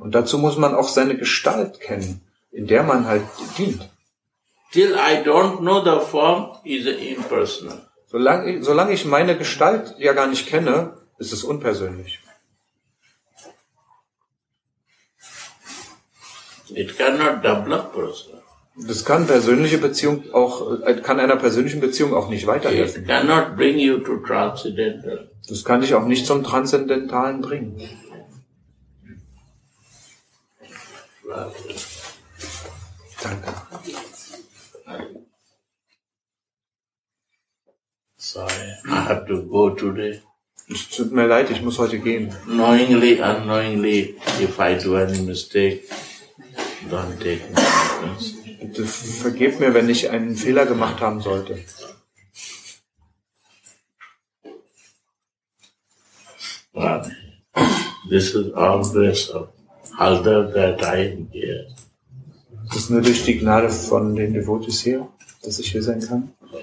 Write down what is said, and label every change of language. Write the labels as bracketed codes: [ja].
[de] Und dazu muss man auch seine Gestalt kennen, in der man halt dient. [en] Till I don't know the form, is impersonal. [de] Solange ich meine Gestalt ja gar nicht kenne, ist es unpersönlich. [en] It cannot develop personal. [de] Das kann einer persönlichen Beziehung auch nicht weiterhelfen. [en] It cannot bring you to transcendental. [de] Das kann dich auch nicht zum Transzendentalen bringen. Danke. [en] Sorry, I have to go today. [de] Es tut mir leid, ich muss heute gehen. [en] Knowingly, unknowingly, if I do any mistake, don't take me. [de] Bitte vergib mir, wenn ich einen Fehler gemacht haben sollte. [en] This is all grace of Halder, that I am here. [de] Das ist nur durch die Gnade von den Devotees hier, dass ich hier sein kann.